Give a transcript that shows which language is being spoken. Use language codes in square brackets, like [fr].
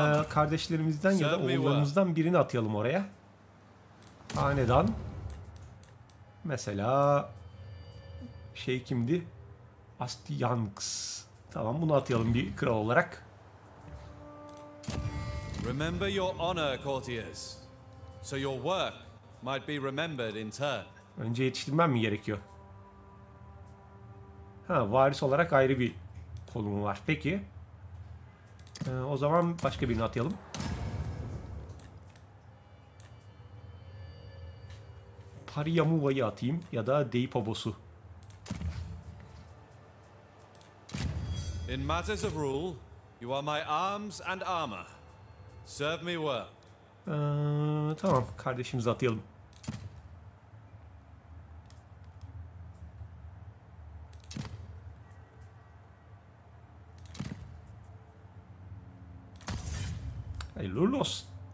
[tr] Kardeşlerimizden ya da oğullarımızdan birini atayalım oraya. Hanedan. Mesela şey kimdi? Astyanks. Tamam, bunu atayalım bir kral olarak. [en] Remember your honor, courtiers. So your work might be remembered in turn. [tr] Önce yetiştirmem mi gerekiyor? Ha, varis olarak ayrı bir kolum var. Peki. O zaman başka birini atayalım. Pariyamuva'yı atayım ya da Deipobos'u. [en] In matters of rule, you are my arms and armor. Serve me well. [tr] Tamam, kardeşimizi atayalım. Hayırlı olsun.